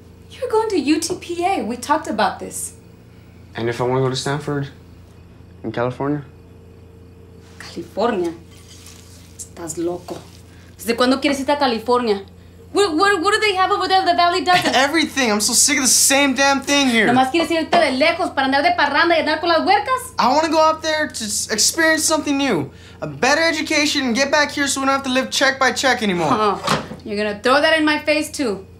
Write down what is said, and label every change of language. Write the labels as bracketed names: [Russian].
[English] You're going to UTPA. We talked about this. And if I wanna go to Stanford? In California? [Spanish] California? Estás loco. ¿Desde cuándo quieres ir a California? [English] What do they have over there the Valley doesn't? Everything. I'm so sick of the same damn thing here. [Spanish] ¿Nomás quieres irte de lejos para andar de parranda y andar con las huercas? [English] I wanna go out there to experience something new. A better education, and get back here so we don't have to live check by check anymore. Oh, you're gonna throw that in my face too.